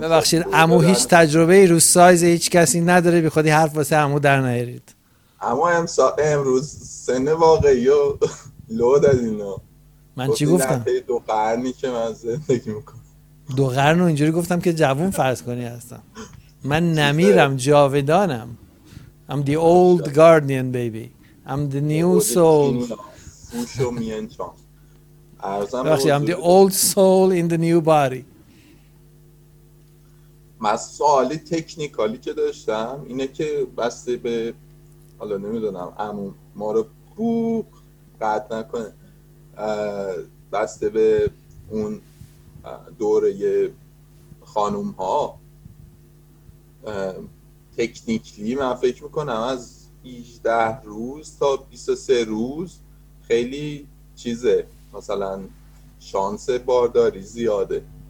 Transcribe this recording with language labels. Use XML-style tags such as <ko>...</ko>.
<fa>ببخشید، امو هیچ تجربه ای رو سایز هیچ کسی نداره، بی خودی حرف واسه امو در نیارید. امو امروز سن واقعی و لو دادین. من چی گفتم؟ دو قرنی که من زندگی میکنم. دو قرن رو اینجوری گفتم که جوون فرض کنی هستم، من نمیرم جاودانم.</fa> <en>I'm the old guardian baby, I'm the new soul. I'm the old soul in the new body.</en> <fa>من سوالی تکنیکالی که داشتم اینه که بسته به حالا نمیدونم عموم ما رو بوق قطع نکنه، بسته به اون دوره خانوم ها تکنیکلی من فکر میکنم از 18 روز تا 23 روز خیلی چیزه، مثلا شانس بارداری زیاده.</fa>